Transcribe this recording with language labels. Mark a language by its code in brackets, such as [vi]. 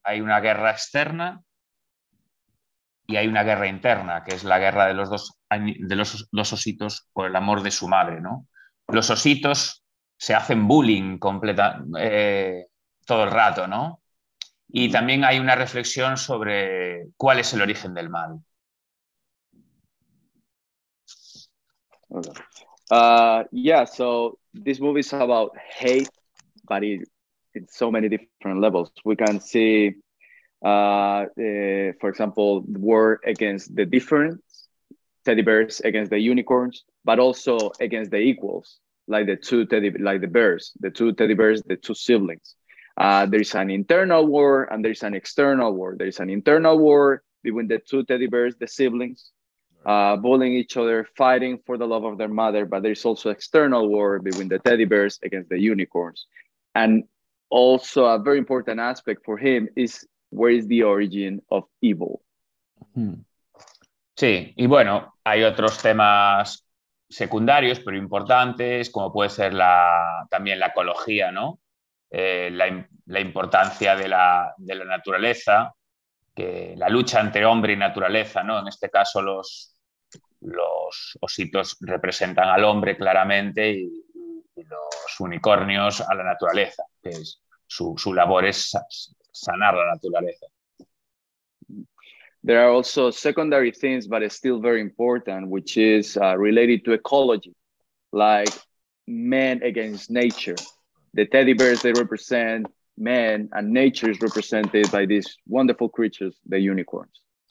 [es] Hay una guerra externa y hay una guerra interna, que es la guerra de los dos ositos por el amor de su madre, ¿no? Los ositos se hacen bullying todo el rato, ¿no? Y también hay una reflexión sobre cuál es el origen del mal. [en] So this movie is about hate, but it's so many different levels. We can see, for example, war against the difference, teddy bears against the unicorns, but also against the equals, the two teddy bears, the two siblings. There is an internal war and there is an external war. There is an internal war between the two teddy bears, the siblings, bullying each other, fighting for the love of their mother, but there's also external war between the teddy bears against the unicorns. And also a very important aspect for him is where is the origin of evil. [es] Sí, y bueno, hay otros temas secundarios pero importantes, como puede ser también la ecología, ¿no? La importancia de la naturaleza, que la lucha entre hombre y naturaleza, ¿no? En este caso los ositos representan al hombre claramente y los unicornios a la naturaleza, que es su labor es sanar la naturaleza. [en] There are also secondary things, but it's still very important, which is related to ecology, like man against nature. The teddy bears, they represent man, and nature is represented by these wonderful creatures, the unicorns.